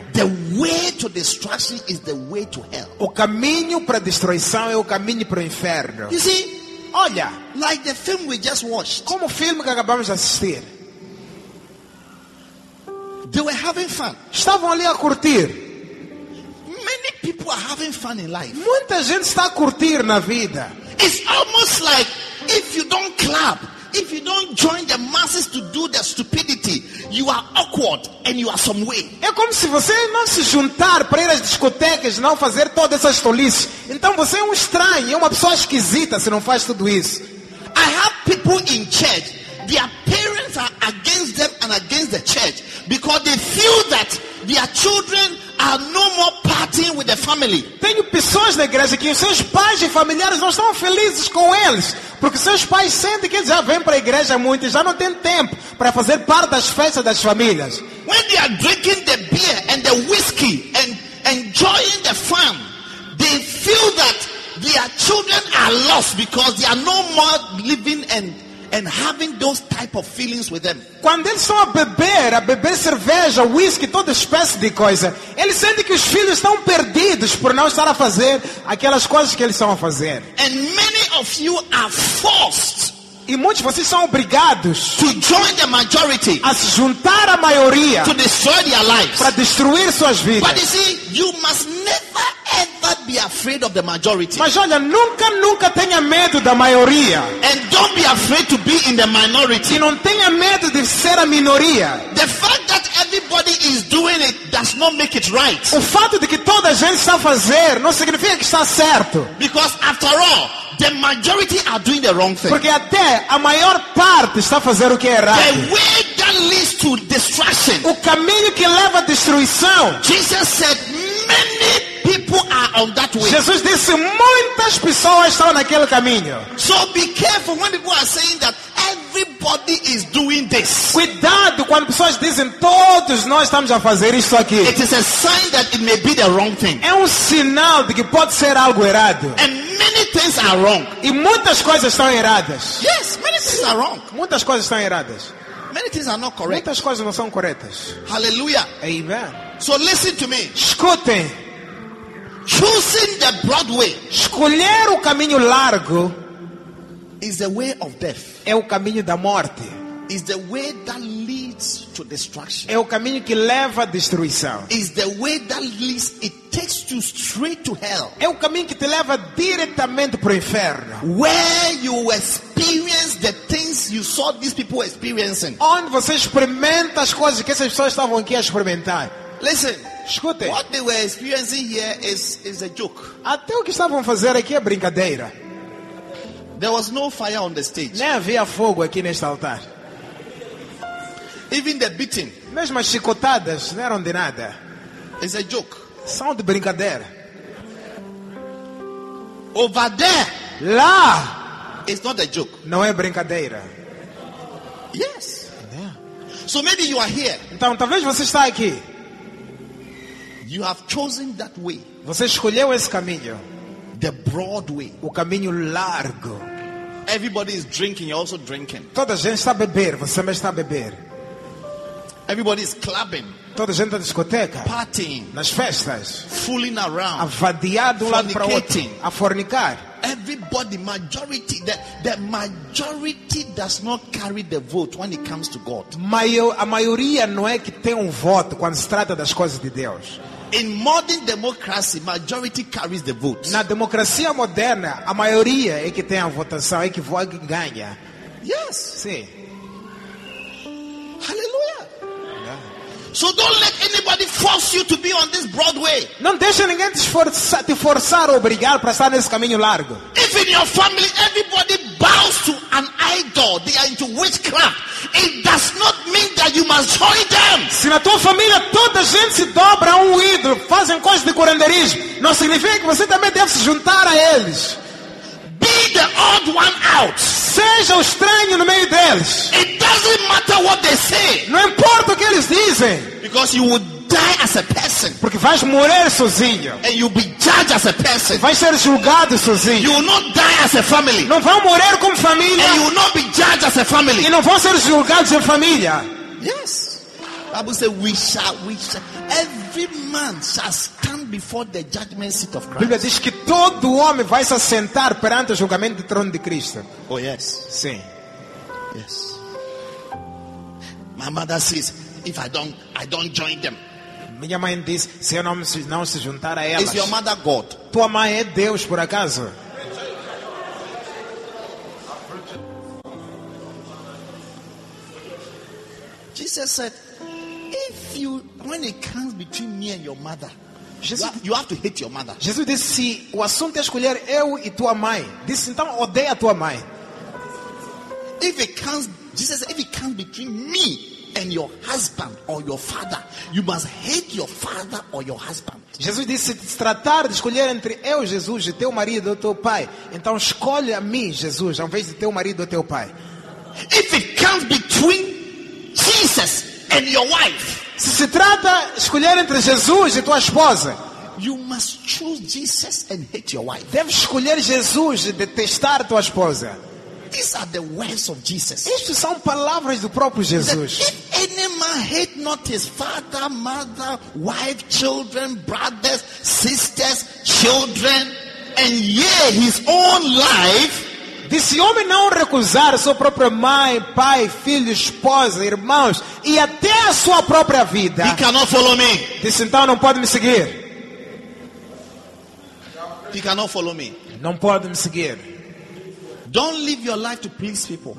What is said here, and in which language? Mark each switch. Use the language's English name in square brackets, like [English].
[English] The way to destruction is the way to hell. [Portuguese] O caminho para destruição é o caminho para o inferno. [English] You see, [Portuguese] olha, [English] like the film we just watched. [Portuguese] Como o filme que acabamos de assistir. [English] They were having fun. [Portuguese] Estavam ali a curtir. [English] Many people are having fun in life. [Portuguese] Muita gente está a curtir na vida. [English] It's almost like if you don't clap, if you don't join the masses to do the stupidity, you are awkward and you are some way. [Portuguese] É como se você não se juntar para ir às discotecas, não fazer todas essas tolices. Então você é um estranho, é uma pessoa esquisita se não faz tudo isso. [English] I have people in church. Their parents are against them and against the church because they feel that their children are no more partying with the family. [Portuguese] Tenho pessoas na igreja que os seus pais e familiares não estão felizes com eles, porque seus pais sentem que eles já vêm para a igreja muito e já não têm tempo para fazer parte das festas das famílias. [English] When they are drinking the beer and the whiskey and enjoying the fun, they feel that their children are lost because they are no more living and having those type of feelings with them. [Portuguese] Quando eles estão a beber cerveja, whisky, toda espécie de coisa, eles sentem que os filhos estão perdidos por não estar a fazer aquelas coisas que eles estão a fazer. [English] And many of you are forced. [Portuguese] E muitos de vocês são obrigados [English] to join the majority, [Portuguese] a se juntar à maioria, [English] to destroy their lives, [Portuguese] para destruir suas vidas. [English] But you see, you must never ever be afraid of the majority. [Portuguese] Mas olha, nunca, nunca tenha medo da maioria. [English] And don't be afraid to be in the minority. [Portuguese] E não tenha medo de ser a minoria. [English] The fact that everybody is doing it does not make it right. [Portuguese] O fato de que toda a gente está a fazer não significa que está certo. [English] Because after all, the majority are doing the wrong thing. [Portuguese] Porque até a maior parte está a fazer o que é errado. [English] The way that leads to destruction. [Portuguese] O caminho que leva à destruição. [English] Jesus said, many people are on that way. [Portuguese] Jesus disse, muitas pessoas estão naquele caminho. [English] So be careful when people are saying that everybody is doing this. [Portuguese] Cuidado quando pessoas dizem, todos nós estamos a fazer isso aqui. [English] It is a sign that it may be the wrong thing. [Portuguese] É sinal de que pode ser algo errado. [English] And many things are wrong. [Portuguese] E muitas coisas estão erradas. [English] Yes, many things are wrong. [Portuguese] Muitas coisas estão erradas. [English] Many things are not correct. [Portuguese] Muitas coisas não são corretas. Hallelujah. Amen. [English] So listen to me. [Portuguese] Escutem. [English] Choosing the broad way, [Portuguese] escolher o caminho largo, [English] is the way of death. [Portuguese] É o caminho da morte. [English] Is the way that leads to destruction. [Portuguese] É o caminho que leva à destruição. [English] Is the way that leads, it takes you straight to hell. [Portuguese] É o caminho que te leva diretamente para o inferno. [English] Where you experience the things you saw these people experiencing. [Portuguese] Onde você experimenta as coisas que essas pessoas estavam aqui a experimentar. [English] Listen. [Portuguese] Escute. [English] What they were experiencing here is a joke. [Portuguese] Até o que estavam a fazer aqui é brincadeira. [English] There was no fire on the stage. [Portuguese] Nem havia fogo aqui neste altar. [English] Even the beating. [Portuguese] Mesmo as chicotadas não eram de nada. [English] It's a joke. [Portuguese] São de brincadeira. [English] Over there. [Portuguese] Lá. [English] It's not a joke. [Portuguese] Não é brincadeira. [English] Yes. Yeah. So maybe you are here. [Portuguese] Então talvez você está aqui. [English] You have chosen that way. [Portuguese] Você escolheu esse caminho. [English] The broad way. [Portuguese] O caminho largo. [English] Everybody is drinking, you're also drinking. [Portuguese] Toda a gente está a beber, você também está a beber. [English] Everybody is clubbing. [Portuguese] Toda a gente na discoteca. [English] Partying. [Portuguese] Nas festas. [English] Fooling around. [Portuguese] A vadiar de um lado para o outro. A fornicar. [English] Everybody, majority, the majority does not carry the vote when it comes to God. [Portuguese] A maioria não é que tem voto quando se trata das coisas de Deus. [English] In modern democracy, majority carries the vote. [Portuguese] Na democracia moderna, a maioria é que tem a votação, é que vota e ganha. [English] Yes. [Portuguese] Sim. [English] Hallelujah. Yeah. So don't let anybody force you to be on this broad way. [Portuguese] Não deixe ninguém te forçar ou obrigar para estar nesse caminho largo. [English] If in your family everybody bows to an idol, they are into witchcraft. It does not mean that you must join them. [Portuguese] Se na tua família toda gente se dobra a ídolo, fazem coisas de curanderismo, não significa que você também deve se juntar a eles. [English] Be the odd one out. [Portuguese] Seja o estranho no meio deles. [English] It doesn't matter what they say. [Portuguese] Não importa o que eles dizem. [English] Because you would die as a person. [Portuguese] Porque vais morrer sozinho. [English] And you'll be judged as a person. [Portuguese] Vai ser julgado sozinho. [English] You will not die as a family. [Portuguese] Não vão morrer como família. [English] And you will not be judged as a family. [Portuguese] E não vão ser julgados em família. [English] Yes. Bible says we shall every man shall stand before the judgment seat of Christ. [Portuguese] Bíblia diz que todo homem vai se assentar perante o julgamento do trono de Cristo. [English] Oh yes. [Portuguese] Sim. [English] Yes. My mother says if I don't join them. [Portuguese] Minha mãe diz se eu não se juntar a elas. [English] Is your mother God? [Portuguese] Tua mãe é Deus por acaso? [English] Jesus said, when it comes between me and your mother, you have to hate your mother. [Portuguese] Jesus disse, se o assunto é escolher eu e tua mãe, disse então odeia tua mãe. [English] If it comes between me and your husband or your father, you must hate your father or your husband. [Portuguese] Jesus disse, se tratar de escolher entre eu, Jesus, e teu marido ou teu pai, então escolhe a mim, Jesus, ao invés de teu marido ou teu pai. [English] If it comes between Jesus and your wife, [Portuguese] se trata de escolher entre Jesus e tua esposa, [English] you must choose Jesus and hate your wife. [Portuguese] Deve escolher Jesus e detestar tua esposa. [English] These are the words of Jesus. [Portuguese] Estas são palavras do próprio Jesus. [English] That if any man hate not his father, mother, wife, children, brothers, sisters, children, and yea, his own life. [Portuguese] Disse, homem não recusar a sua própria mãe, pai, filho, esposa, irmãos e até a sua própria vida. [English] He cannot follow me. [Portuguese] Disse, então não pode me seguir. [English] He cannot follow me. [Portuguese] Não pode me seguir. [English] Don't live your life to please people.